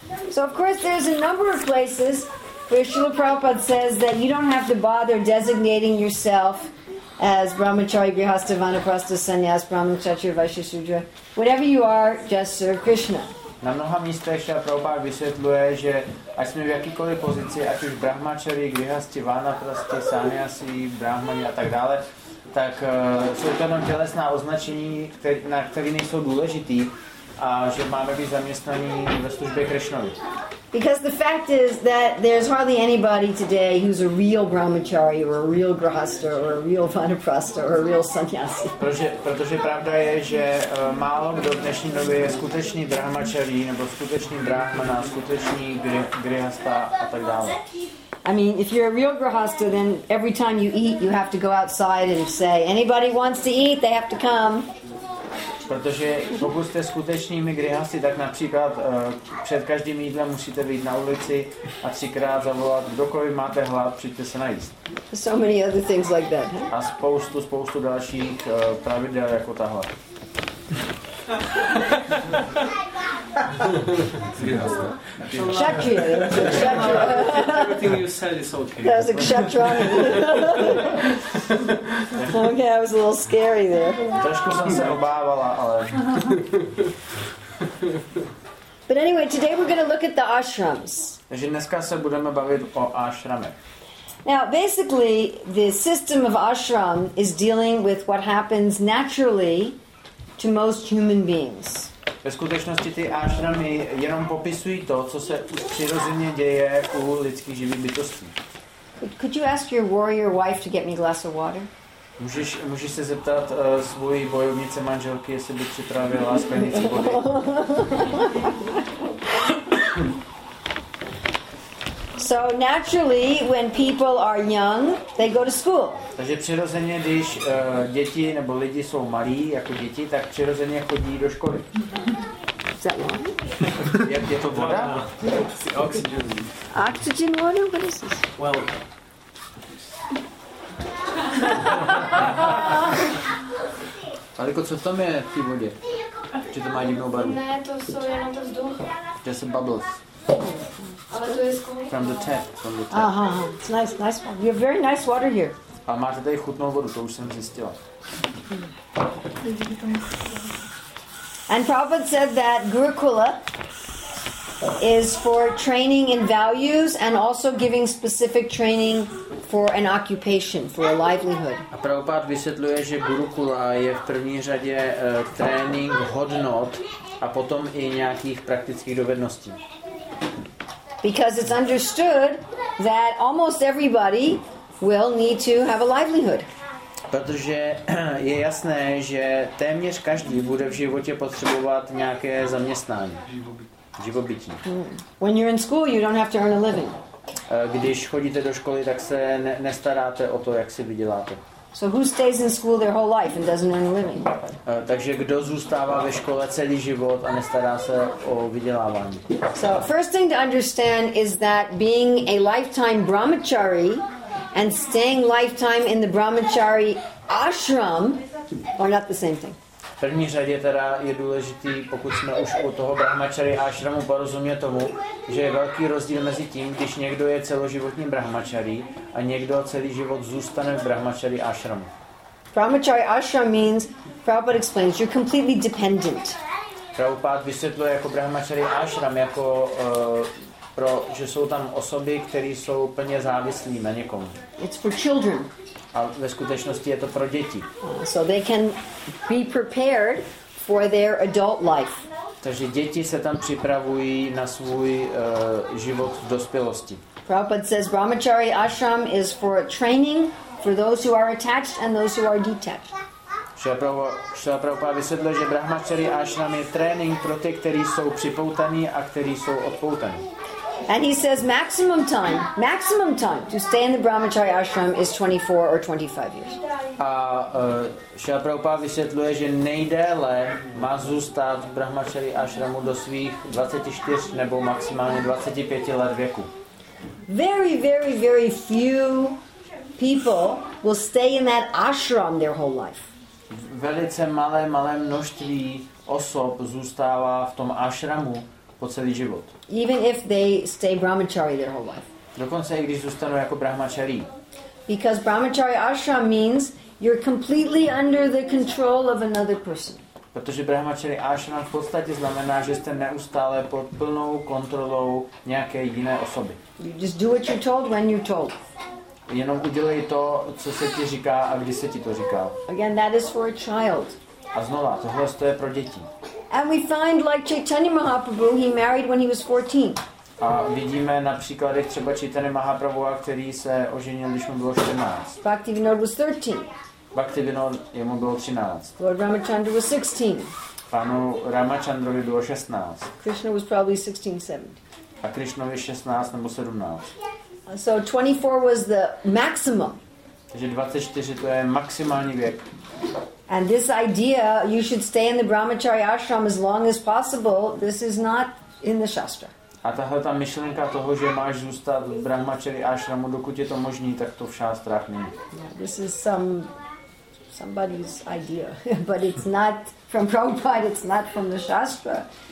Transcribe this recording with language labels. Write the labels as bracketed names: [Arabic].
[English] So of course there's a number of places where Srila Prabhupada says that you don't have to bother designating yourself as Brahmachari, Grihastha, Vanaprastha, Sannyas, Brahmachari, Vaishyasudra. Whatever you are, just serve Krishna. [Czech] Na mnoha místech Srila Prabhupada vysvětluje, že ať jsme v jakýkoliv pozici, ať už Brahmachari, Grihastha, Vanaprastha, Sannyasi, Brahmani a tak dále, tak jsou to jenom tělesná označení, na které nejsou důležitý, a že máme být zaměstnaní ve službě Krishnovi. [English] Because the fact is that there's hardly anybody today who's a real brahmachari or a real grihastha or a real vanaprastha or a real sannyasi. [Czech] Protože pravda je, že málo kdo v dnešní době je skutečný brahmachari nebo skutečný brahmana, skutečný grihastha a tak dále. [English] I mean, if you're a real grihastha, then every time you eat, you have to go outside and say, anybody wants to eat, they have to come. [Czech] Protože pokud jste skutečnými grihasty, tak například před každým jídlem musíte být na ulici a třikrát zavolat, kdokoliv máte hlad, přijďte se najíst. [English] So many other things like that. [Czech] A spoustu dalších pravidel jako tahle. [English] Kshatriya. Everything you said is okay. That was a kshatriya. Okay, I was a little scary there. [Czech] Trošku jsem se obávala, ale... [English] But anyway, today we're going to look at the ashrams. [Czech] Takže dneska se budeme bavit o ashramech. [English] Now, basically, the system of ashram is dealing with what happens naturally to most human beings. [Czech] Ve skutečnosti ty ashramy jenom popisují to, co se přirozeně děje u lidských živých bytostí. [English] Could you ask your warrior wife to get me a glass of water? [Czech] Můžeš se zeptat svojí bojovnice manželky, jestli by připravila sklenici vody. [English] So naturally, when people are young, they go to school. [Czech] Takže přirozeně, když děti nebo lidi jsou malí jako děti, tak přirozeně chodí do školy. [English] Is that water? [Czech] Jak je to voda? [English] Oxygen. Oxygen water? What is this? Well. [Czech] Ale co v tom je v té vodě? Či to má jinou barvu? Ne, to jsou jenom vzduch. [English] Just some bubbles. From the tap. From the tap. Uh-huh. It's nice, nice one. You have very nice water here. [Czech] A máte tady chutnou vodu, to už jsem zjistila. [English] And Prabhupada said that Gurukula is for training in values and also giving specific training for an occupation, for a livelihood. [Czech] A Prabhupada vysvětluje, že Gurukula je v první řadě trénink hodnot a potom i nějakých praktických dovedností. [English] Because it's understood that almost everybody will need to have a livelihood. [Czech] Protože je jasné, že téměř každý bude v životě potřebovat nějaké zaměstnání, živobytí. [English] When you're in school, you don't have to earn a living. [Czech] Když chodíte do školy, tak se nestaráte o to, jak si vyděláte. [English] So who stays in school their whole life and doesn't earn a living? [Czech] Takže kdo zůstává ve škole celý život a nestará se o vydělávání? [English] So first thing to understand is that being a lifetime brahmachari and staying lifetime in the brahmachari ashram are not the same thing. [Czech] V první řadě teda je důležitý, pokud jsme už u toho brahmachari ashramu, porozumět tomu, že je velký rozdíl mezi tím, když někdo je celoživotní brahmachari a někdo celý život zůstane v brahmachari ashramu. [English] Brahmachari ashram means, Prabhupada explains, you're completely dependent. [Czech] Prabhupada vysvětluje jako brahmachari ashram, jako pro, že jsou tam osoby, které jsou plně závislí na někom. [English] It's for children. [Czech] A ve skutečnosti je to pro děti. [English] So they can be prepared for their adult life. [Slovak] Takže deti sa tam pripravujú na svoj život v dospelosti. [English] Prabhupada says Brahmachari ashram is for training for those who are attached and those who are detached. [Slovak] Šrila Prabhupada vysvetľuje, že Brahmachari ashram je tréning pro tie, ktorí sú pripoutaní a ktorí sú odpoutaní. [English] And he says maximum time to stay in the Brahmachari ashram is 24 or 25 years. [Czech] A Šrila Prabhupada vysvetľuje, že nejdéle má zústať v Brahmachari ashramu do svých 24 nebo maximálne 25 let veku. [English] Very, very, very few people will stay in that ashram their whole life. [Czech] Velice malé množství osob zůstává v tom ashramu po celý život. [English] Even if they stay brahmachari their whole life. [Czech] Dokonce i když zůstanou jako brahmachari. [English] Because brahmachari ashram means you're completely under the control of another person. [Czech] Protože brahmachari ashram v podstatě znamená, že jste neustále pod plnou kontrolou nějaké jiné osoby. [English] You just do what you're told when you're told. [Czech] Jenom udělej to, co se ti říká a kdy se ti to říká. [English] Again, that is for a child. [Czech] A znova, tohle je pro děti. [English] And we find like Chaitanya Mahaprabhu, he married when he was 14. [Czech] A vidíme například, jak třeba Chaitanya Mahaprabhu, který se oženil, když mu bylo 14. [English] Bhaktivinoda was 13. [Czech] Bhaktivinoda, jemu bylo 13. [English] Lord Ramachandra was 16. [Czech] Panu Ramachandrovi bylo 16. [English] Krishna was probably 16, 17. [Czech] A Krishnovi 16 nebo 17. [English] So 24 was the maximum. [Czech] Takže 24 to je maximální věk. [English] And this idea you should stay in the Brahmachari ashram as long as possible, this is not in the shastra. [Czech] A tahle ta myšlenka toho, že máš zůstat v Brahmachari ashramu, dokud je to možný, tak to v šástrách není. [English] Yeah, this is somebody's idea, but it's not from Prabhupada, it's not from the shastra.